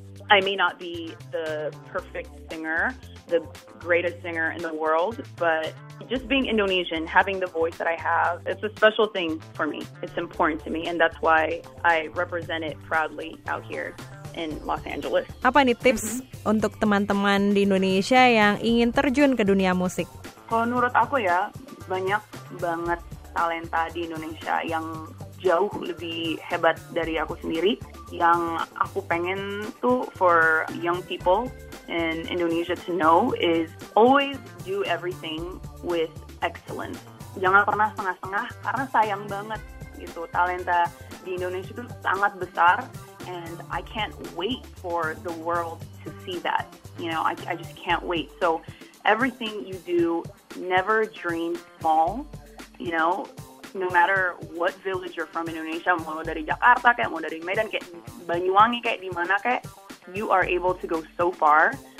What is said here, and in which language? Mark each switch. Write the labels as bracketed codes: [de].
[en] I may not be the perfect singer, the greatest singer in the world, but just being Indonesian, having the voice that I have, it's a special thing for me. It's important to me, and that's why I represent it proudly out here in Los Angeles. [id] Apa nih tips untuk teman-teman di Indonesia yang ingin terjun ke dunia musik? Kalau menurut aku ya, banyak banget talenta di Indonesia yang jauh lebih hebat dari aku sendiri. Yang aku pengen tuh [en] for young people in Indonesia to know is always do everything with excellence. [id] Jangan pernah setengah-setengah, karena sayang banget gitu. Talenta di Indonesia tuh sangat besar, [en] and I can't wait for the world to see that. You know, I just can't wait. So everything you do, never dream small, you know. No matter what village you're from in Indonesia, [id] mau dari Jakarta, kayak mau dari Medan, kayak Banyuwangi, kayak di mana, kayak [en] you are able to go so far.